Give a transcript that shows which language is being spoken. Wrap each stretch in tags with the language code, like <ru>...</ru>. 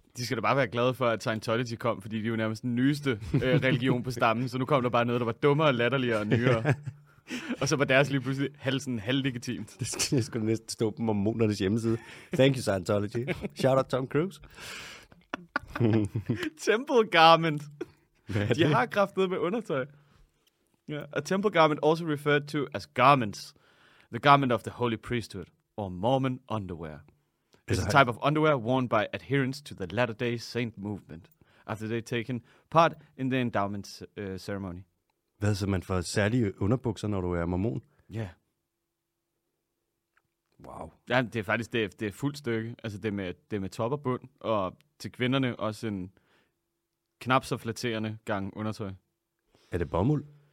<da>De skal da bare være glade for, at Scientology kom, fordi de er jo nærmest den nyeste religion på stammen, så nu kom der bare noget, der var dummere, latterligere og nyere. Og så var deres lige pludselig halvlegitimt. Det skulle næsten stå på mormonernes hjemmeside.</da> <en>Thank you, Scientology. Shout out Tom Cruise. Temple garment.</en> <da>De har kraftet med undertøj.</da> <en>Yeah. A temple garment also referred to as garments, the garment of the holy priesthood, or Mormon underwear. It's a type of underwear worn by adherents to the Latter-day Saint movement, after they've taken part in the endowment ceremony.</en> <da>Hvad så, man får særlige underbukser, når du er mormon? Ja. Wow. Ja, det er faktisk det er fuldt stykke. Altså, det er med top og bund, og til kvinderne også en knap så flatterende gang undertøj. Er det bomuld?</da>